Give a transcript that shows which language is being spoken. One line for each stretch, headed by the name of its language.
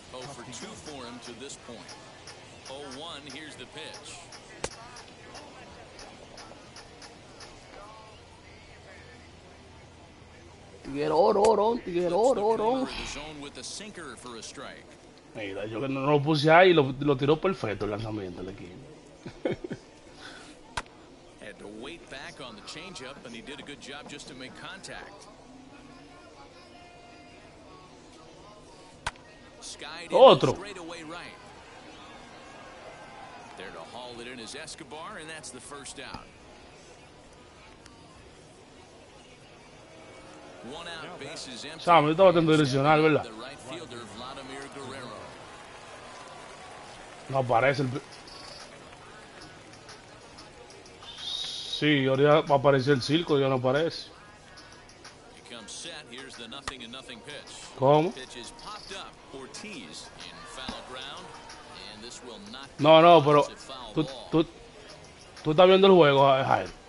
English: 0-2 for him to this point. 0-1, here's the pitch.
Spanish: Tiguerón.
English: The zone with a sinker for a strike.
Spanish: Mira, yo no lo puse ahí, lo tiró perfecto el lanzamiento de aquí.
English: Had to wait back on the changeup, and he did a good job just to make contact.
Spanish: Otro.
English: There to haul it in is Escobar, and that's the first out. One out, base is empty. Sam,
Spanish: estaba tratando de direccionar, ¿verdad?
English: The right fielder, Vladimir Guerrero.
Spanish: No aparece el. Sí, ahorita va a aparecer el circo, ya no aparece.
English: Here's the nothing and nothing pitch.
Spanish: ¿Cómo?
English: Pitch is popped up. Ortiz in foul ground, and this will not.
Spanish: No, no, pero tú estás viendo el juego, Jair.